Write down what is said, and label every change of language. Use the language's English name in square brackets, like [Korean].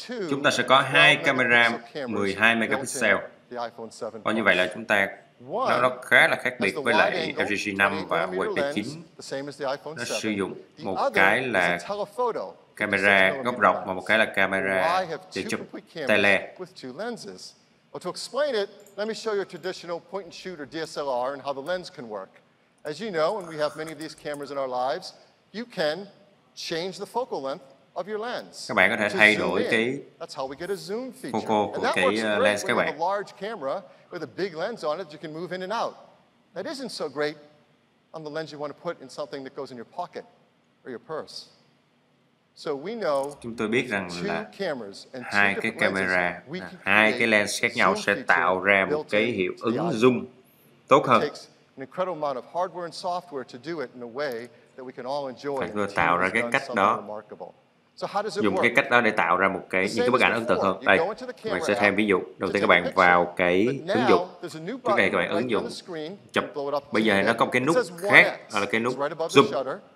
[Vietnamese] Chúng ta sẽ có hai camera 12 megapixel. Và như vậy là chúng ta nó khá là khác biệt với lại LG 5 và Huawei 9. Nó sử dụng một cái là camera góc rộng và một cái là camera để chụp tele. [English] Well, to explain it, let me show you a traditional point and shoot or DSLR and how the lens can work. As you know, when we have many of these cameras in our lives, you can change the focal length of your lens. [Vietnamese] Các bạn có thể thay đổi cái focal của cái lens các bạn. [English] With a big lens on it, you can move in and out. That isn't so great on the lens you want to put in something that goes in your pocket or your purse. So we know [Vietnamese] chúng tôi biết rằng là hai cái camera, hai cái lens khác nhau sẽ tạo ra một cái hiệu ứng zoom tốt hơn. [English] It takes an incredible amount of hardware and software to do it in a way that we can all enjoy. [Vietnamese] Chúng tôi tạo ra cái cách đó. Dùng cái cách đó để tạo ra một cái những cái bức ảnh ấn tượng hơn. Đây, mình sẽ thêm ví dụ. Đầu tiên các bạn vào cái ứng dụng. Cái này các bạn ứng dụng chụp. Bây giờ nó có một cái nút khác, là cái nút zoom.